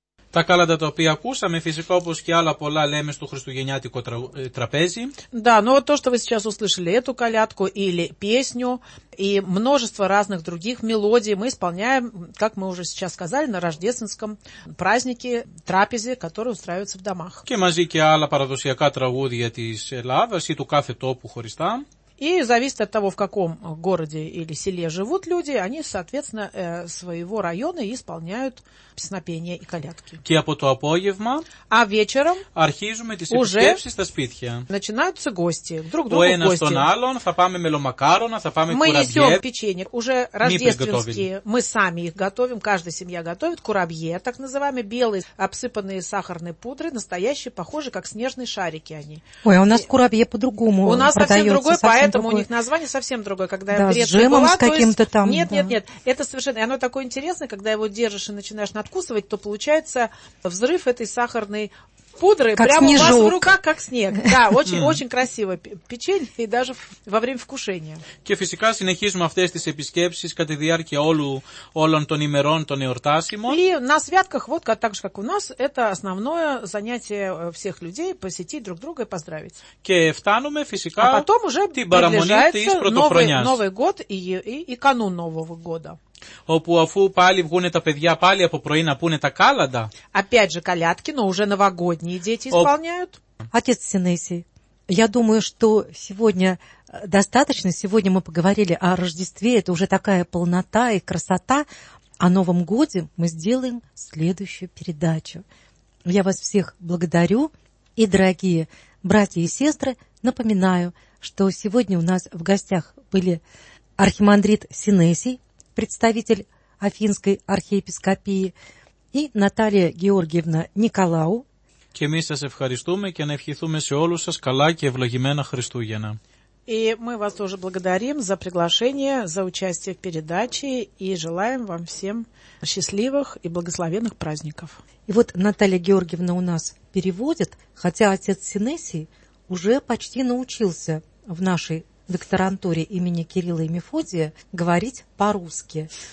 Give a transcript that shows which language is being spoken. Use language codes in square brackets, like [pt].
[el] Τα κάλαντα τα οποία ακούσαμε, φυσικά όπως και άλλα πολλά λέμε στο χριστουγεννιάτικο τραπέζι. [ru] Да, ну вот то, что вы сейчас услышали, эту колядку или песню и множество разных других мелодий мы исполняем, как мы уже сейчас сказали, на рождественском празднике, трапезе, который устраивается в домах. [el] Και μαζί και άλλα παραδοσιακά τραγούδια της Ελλάδας ή του κάθε τόπου χωριστά. [ru] И зависит от того, в каком городе или селе живут люди, они, соответственно, своего района исполняют песнопения и колядки. [el] И από το απόγευμα, [ru] а вечером [el] αρχίζουμε τις επισκέψεις στα σπίτια. [ru] Начинаются гости, друг другу гости. [el] Ο ένας τον άλλον, θα πάμε μελομακάρονα, θα пάμε κουραβιέ. [ru] Мы несем печенье, уже рождественские, мы сами их готовим, каждая семья готовит курабье, так называемые белые, обсыпанные сахарной пудрой, настоящие, похожие, как снежные шарики они. Ой, у нас курабье по-другому продается. У нас совсем другое, поэтому у них название совсем другое, когда да, с жемом с каким-то там. Нет, да. нет, это совершенно, и оно такое интересное, когда его держишь и начинаешь надкусывать, то получается взрыв этой сахарной пудры как прямо снежок. У вас в руках, как снег. Да, очень-очень красиво печенье и даже во время вкушения. [el] Και φυσικά συνεχίζουμε αυτές τις επισκέψεις κατά τη διάρκεια όλων των ημερών των εορτάσιμων. [ru] И на святках, вот так же, как у нас, это основное занятие всех людей, посетить друг друга и поздравить. [el] Και φτάνουμε φυσικά [ru] а потом уже приближается новый год и канун Нового года. [el] Όπου αφού πάλι βγουν τα παιδιά πάλι από πρωί να πούνε τα κάλαντα. [ru] Опять же колядки, но уже новогодние дети исполняют. Отец Синесий, я думаю, что сегодня достаточно. Сегодня мы поговорили о Рождестве. Это уже такая полнота и красота. О Новом Годе мы сделаем следующую передачу. Я вас всех благодарю. И, дорогие братья и сестры, напоминаю, что сегодня у нас в гостях были архимандрит Синесий, представитель Афинской архиепископии, и Наталья Георгиевна Николау. [el] Και [ru] мы [el] сας ευχαριστούμε και να ευχηθούμε σε όλους σας καλά και ευλογημένα Χριστούγεννα. [ru] И мы вас тоже благодарим за приглашение, за участие в передаче и желаем вам всем счастливых и благословенных праздников. И вот Наталья Георгиевна у нас переводит, хотя отец Синесий уже почти научился в нашей докторантуре имени Кирилла и Мефодия говорить по-русски.